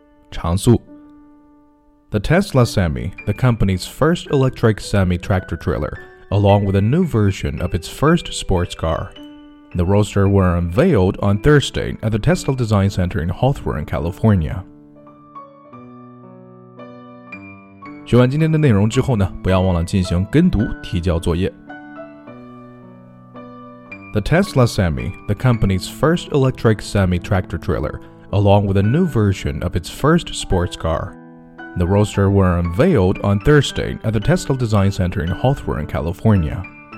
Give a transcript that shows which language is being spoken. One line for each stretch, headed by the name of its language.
Chinese: 长速
English: The Tesla Semi, the company's first electric semi tractor trailer, along with a new version of its first sports car. The Roadster were unveiled on Thursday at the Tesla Design Center in Hawthorne, California.
Chinese: 学完今天的内容之后呢，不要忘了进行跟读提交作业。
English: The Tesla Semi, the company's first electric semi tractor trailer, along with a new version of its first sports car. The Roadster were unveiled on Thursday at the Tesla Design Center in Hawthorne, California.